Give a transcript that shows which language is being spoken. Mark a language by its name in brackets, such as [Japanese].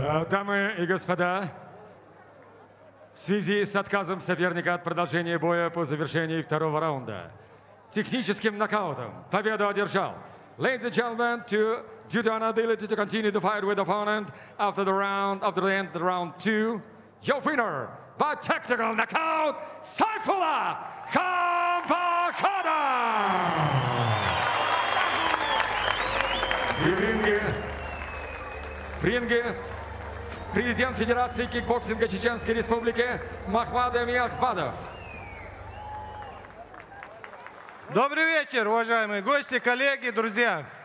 [Russian] Дамы и господа, в связи с отказом соперника от продолжения боя по завершении второго раунда, техническим нокаутом победу одержал. [English] Ladies and gentlemen, due to inability to continue the fight with opponent after the round, after the end of the round two, your winner by technical knockout, Сайфулла Хамбахада! [Russian] В ринге президент Федерации кикбоксинга Чеченской Республики Махмад Эми Ахмадов. Добрый вечер, уважаемые гости, коллеги, друзья.